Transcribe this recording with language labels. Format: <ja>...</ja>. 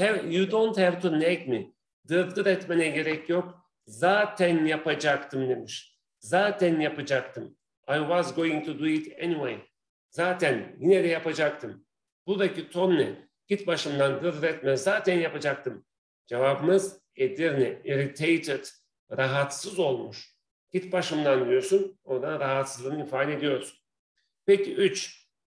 <en>you don't have to nag me.</en> <tr>Dırdır etmene gerek yok. Zaten yapacaktım demiş. Zaten yapacaktım.</tr> <en>I was going to do it anyway.</en> <tr>Zaten yine de yapacaktım. Buradaki ton ne? Git başımdan, gırr etme. Zaten yapacaktım. Cevabımız Edirne. Irritated. Rahatsız olmuş. Git başımdan diyorsun. Oradan rahatsızlığını ifade ediyorsun. Peki 3.</tr>